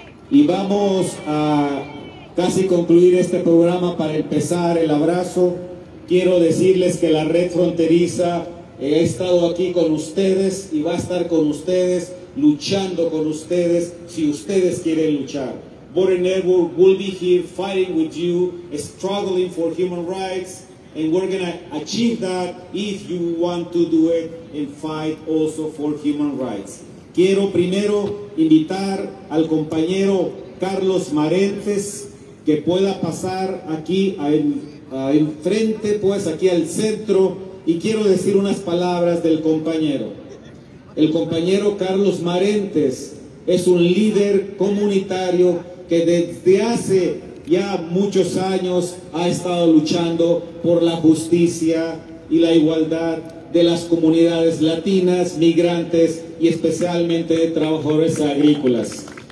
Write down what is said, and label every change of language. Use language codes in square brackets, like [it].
[es] Y vamos a casi concluir este programa para empezar el abrazo. Quiero decirles que la Red Fronteriza ha estado aquí con ustedes y va a estar con ustedes, luchando con ustedes, si ustedes quieren luchar. [en] Border Network will be here fighting with you, struggling for human rights, and we're going to achieve that if you want to do it and fight also for human rights. [es] Quiero primero invitar al compañero Carlos Marentes que pueda pasar aquí enfrente, pues aquí al centro, y quiero decir unas palabras del compañero. El compañero Carlos Marentes es un líder comunitario que desde hace ya muchos años ha estado luchando por la justicia y la igualdad de las comunidades latinas, migrantes y especialmente de trabajadores agrícolas.